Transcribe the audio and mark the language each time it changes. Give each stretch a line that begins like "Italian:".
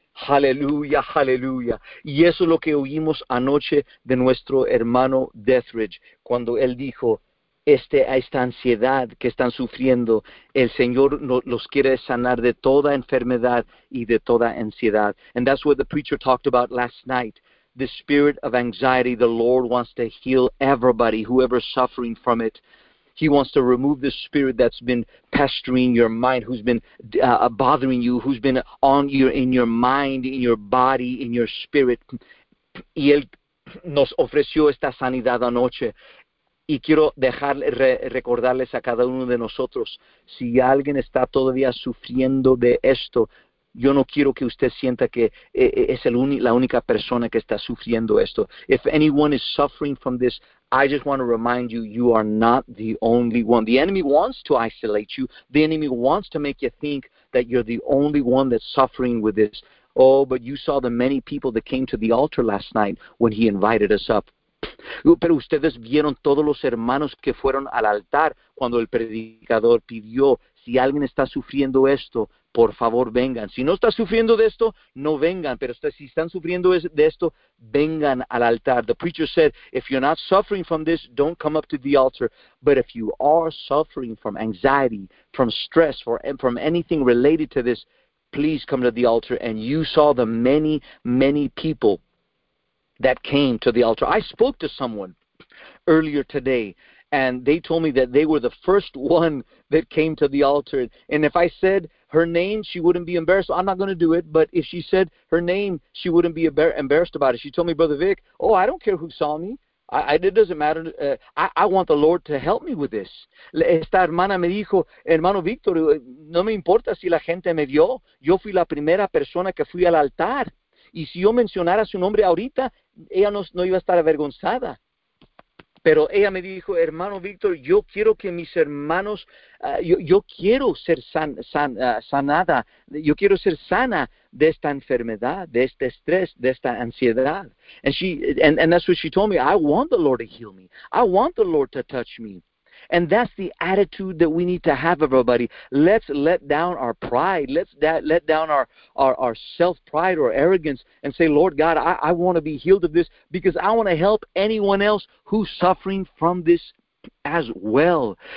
Spanish: Aleluya, aleluya. Y eso es lo que oímos anoche de nuestro hermano Deathridge, cuando él dijo, esta ansiedad que están sufriendo, el Señor los quiere sanar de toda enfermedad y de toda ansiedad.
English: And that's what the preacher talked about last night. The spirit of anxiety, the Lord wants to heal everybody, whoever's suffering from it. He wants to remove the spirit that's been pestering your mind, who's been bothering you, who's been on your in your mind, in your body, in your spirit.
Spanish: Y él nos ofreció esta sanidad anoche. Y quiero recordarles a cada uno de nosotros, si alguien está todavía sufriendo de esto, yo no quiero que usted sienta que es la única persona que está sufriendo esto.
English: If anyone is suffering from this, I just want to remind you, you are not the only one. The enemy wants to isolate you. The enemy wants to make you think that you're the only one that's suffering with this. Oh, but you saw the many people that came to the altar last night when he invited us up.
Spanish: Pero ustedes vieron todos los hermanos que fueron al altar cuando el predicador pidió, si alguien está sufriendo esto, por favor vengan. Si no está sufriendo de esto, no vengan. Pero si están sufriendo de esto, vengan al altar.
English: The preacher said, if you're not suffering from this, don't come up to the altar. But if you are suffering from anxiety, from stress, or from anything related to this, please come to the altar. And you saw the many, many people that came to the altar. I spoke to someone earlier today, and they told me that they were the first one that came to the altar. And if I said her name, she wouldn't be embarrassed. I'm not going to do it, but if she said her name, she wouldn't be embarrassed about it. She told me, Brother Vic, oh, I don't care who saw me. It doesn't matter. I want the Lord to help me with this.
Spanish: Esta hermana me dijo, hermano Víctor, no me importa si la gente me vio. Yo fui la primera persona que fui al altar. Y si yo mencionara su nombre ahorita, ella no iba a estar avergonzada. Pero ella me dijo, hermano Víctor, yo quiero que mis hermanos, yo quiero ser sanada, yo quiero ser sana de esta enfermedad, de este estrés, de esta ansiedad.
English: And that's what she told me, I want the Lord to heal me. I want the Lord to touch me. And that's the attitude that we need to have, everybody. Let's let down our pride. Let's let down our self-pride or arrogance and say, Lord God, I want to be healed of this because I want to help anyone else who's suffering from this as well.